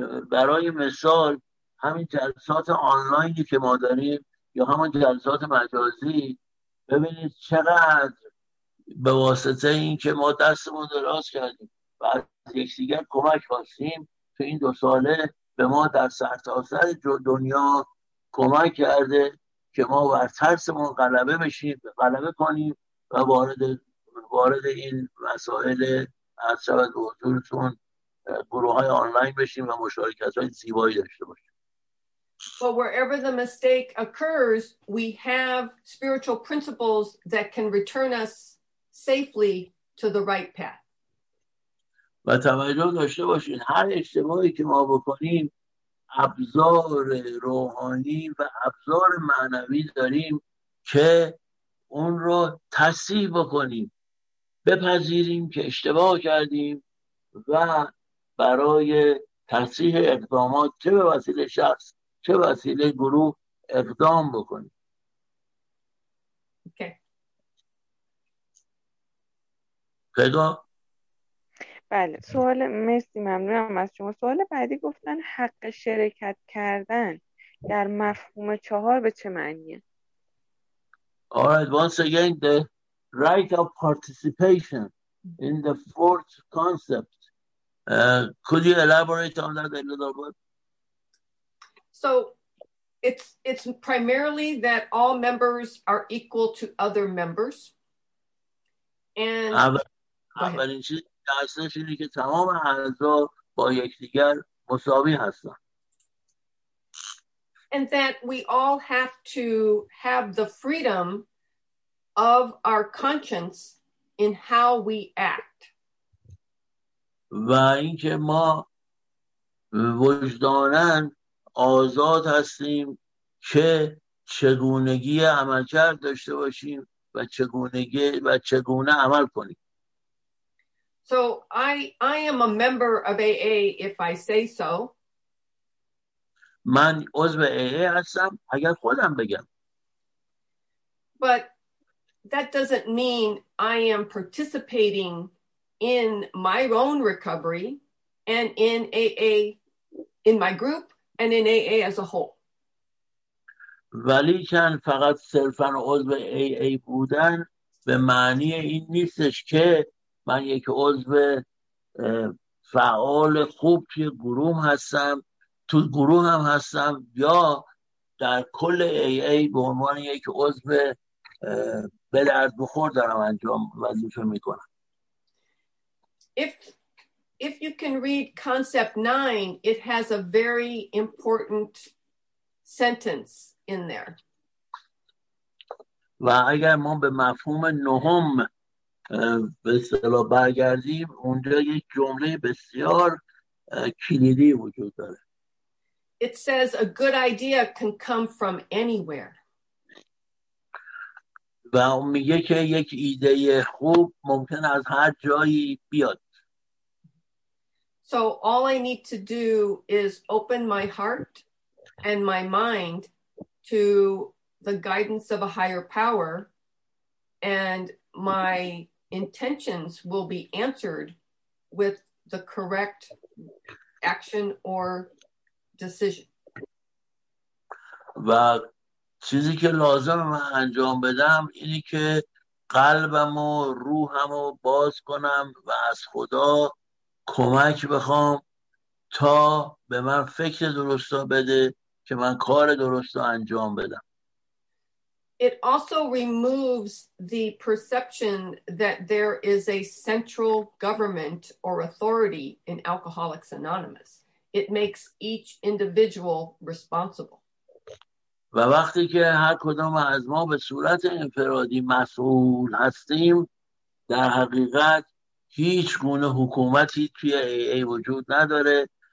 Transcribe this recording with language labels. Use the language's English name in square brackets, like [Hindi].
[Persian] برای مثال همین جلسات آنلاینی که ما داریم یا همون جلسات مجازی، ببینید چقدر به واسطه این که ما دستمون دراز کردیم و از یک دیگر کمک خواستیم تو این دو ساله به ما در سرتاسر دنیا کمک کرده که ما بر ترسمون غلبه بشیم، غلبه کنیم و وارد این مسائل از شبت حضورتون گروه های آنلاین بشیم و مشارکت های زیبایی داشته باشیم. [English] But wherever the mistake occurs, we have spiritual principles that can return us safely to the right path. [Persian] و توجه داشته باشین هر اشتباهی که ما بکنیم، ابزار روحانی و ابزار معنوی داریم که اون رو تصحیح بکنیم، بپذیریم که اشتباه کردیم و برای تصحیح اقدامات چه به وسیله شخص چه وسیله گروه اقدام بکنیم. پیدا؟ بله. سوال، مرسی، ممنونم از شما. سوال بعدی گفتن حق شرکت کردن در مفهوم چهار به چه معنیه؟ [English] Alright, once again, the right of participation in the fourth concept. Could you elaborate on that a little bit? So it's primarily that all members are equal to other members. [Persian] اولین چیز درستش اینه که تمام اعضا با یکدیگر مساوی هستن. [English] And that we all have to have the freedom of our conscience in how we act. [Persian] و اینکه ما وجدانن آزاد هستیم که چگونگی عمل کرد داشته باشیم و چگونگی و چگونه عمل کنیم. [English] So I am a member of AA if I say so. [Persian] من عضو AA هستم اگر خودم بگم. [English] But that doesn't mean I am participating in my own recovery and in AA in my group and in AA as a whole. [Persian] ولی چند فقط صرفا عضو AA بودن به معنی این نیستش که من یک عضو فعال خوب توی گروه هستم، تو گروه هم هستم یا در کل AA به عنوان یک عضو به درد بخور دارم انجام وظیفه میکنم. [English] If you can read concept 9, it has a very important sentence in there. [Persian] و اگر ما به مفهوم نهم به اصطلاح برگردیم، اونجا یک جمله بسیار کلیدی وجود داره. [English] It says a good idea can come from anywhere. [Persian] و اون میگه که یک ایده خوب ممکن از هر جایی بیاد. [English] So all I need to do is open my heart and my mind to the guidance of a higher power and my intentions will be answered with the correct action or decision. [Persian] و چیزی که لازمه من انجام بدم اینی که قلبم و روحم رو باز کنم و از خدا کمک بخوام تا به من فکر درست بده که من کار درست انجام بدم. [English] It also removes the perception that there is a central government or authority in Alcoholics Anonymous. It makes each individual responsible. [Persian] و وقتی که هر کدام از ما به صورت انفرادی مسئول هستیم، در حقیقت هیچ گونه حکومتی توی AA وجود نداره.